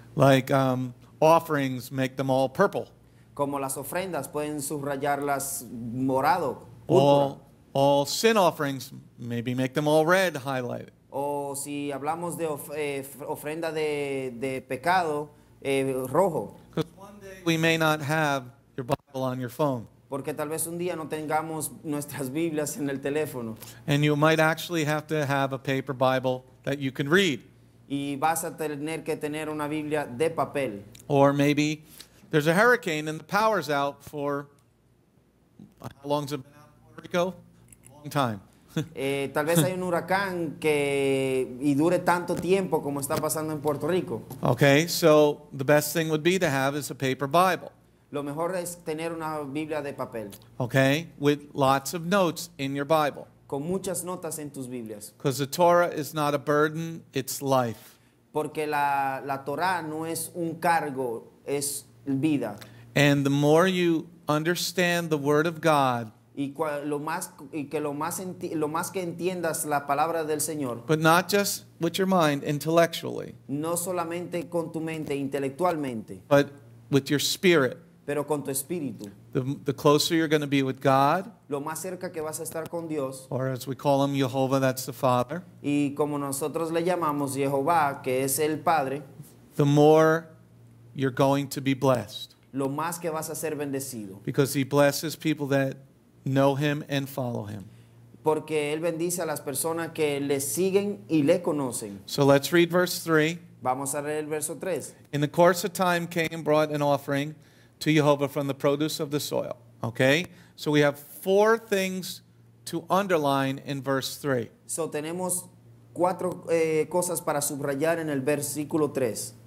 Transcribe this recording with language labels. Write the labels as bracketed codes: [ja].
[en] Like offerings, make them all purple. [es] Como las ofrendas, pueden subrayarlas morado. [en] All sin offerings, maybe make them all red, highlight. [es] O si hablamos de ofrenda de pecado, rojo. [en] Because one day we may not have your Bible on your phone. [es] Porque tal vez un día no tengamos nuestras Biblias en el teléfono. [en] And you might actually have to have a paper Bible that you can read. [es] Y vas a tener que tener una Biblia de papel. [en] Or maybe there's a hurricane and the power's out for, how long has it been out in Puerto Rico? A long time. [es] Tal vez hay un huracán que y dure tanto tiempo como está pasando en Puerto Rico. [en] Okay, so the best thing would be to have is a paper Bible. [es] Lo mejor es tener una Biblia de papel. [en] Okay, with lots of notes in your Bible. [es] Con muchas notas en tus Biblias. [en] Because the Torah is not a burden, it's life. [es] Porque la Torah no es un cargo, es vida. [en] And the more you understand the Word of God, but not just with your mind intellectually, [es] no solamente con tu mente intelectualmente, [en] but with your spirit, [es] pero con tu espíritu, [en] the closer you're going to be with God, [es] lo más cerca que vas a estar con Dios, [en] or as we call him, Yehovah, that's the Father, [es] y como nosotros le llamamos Yehovah, que es el Padre, [en] the more you're going to be blessed, [es] lo más que vas a ser bendecido, [en] because he blesses people that know him and follow him. [es] Porque él bendice a las personas que le siguen y le conocen. [en] So let's read verse 3. [es] Vamos a leer el verso 3. [en] In the course of time, Kayin brought an offering to Yehovah from the produce of the soil. Okay? So we have four things to underline in verse 3. [es] So tenemos cuatro cosas para subrayar en el versículo 3.